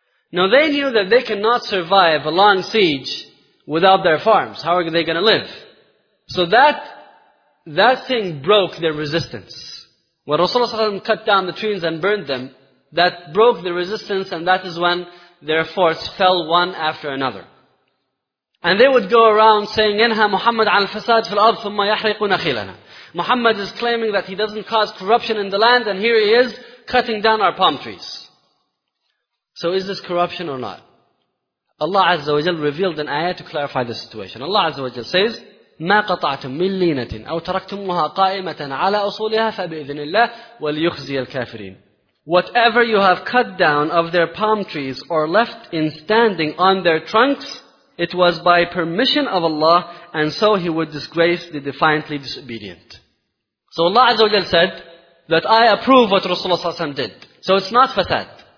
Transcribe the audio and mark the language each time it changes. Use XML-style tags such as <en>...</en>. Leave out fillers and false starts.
<en>Now they knew that they cannot survive a long siege without their farms. How are they going to live? So that thing broke their resistance. When Rasulullah sallallahu alaihi wasallam cut down the trees and burned them, that broke the resistance, and that is when their forts fell one after another. And they would go around saying,</en> <ar>إِنْهَا مُحَمَّدْ عَلَى الْفَسَادِ فِي الْأَرْضِ ثُمَّ يَحْرِقُونَ خِيلَنَا.</ar> <en>Muhammad is claiming that he doesn't cause corruption in the land, and here he is cutting down our palm trees. So is this corruption or not? Allah Azza wa Jal revealed an ayah to clarify the situation. Allah Azza wa Jal says,</en> <ar>مَا قَطَعْتُم مِّن لِينَةٍ أَوْ تَرَكْتُمُهَا قَائِمَةً عَلَى أُصُولِهَا فَبِإِذْنِ اللَّهِ وَلْيُخْزِيَ الْكَافِرِينَ.</ar> <en>Whatever you have cut down of their palm trees or left in standing on their trunks, it was by permission of Allah, and so He would disgrace the defiantly disobedient. So Allah Azza wa Jal said that I approve what Rasulullah ﷺ did. So it's not fasad.</en>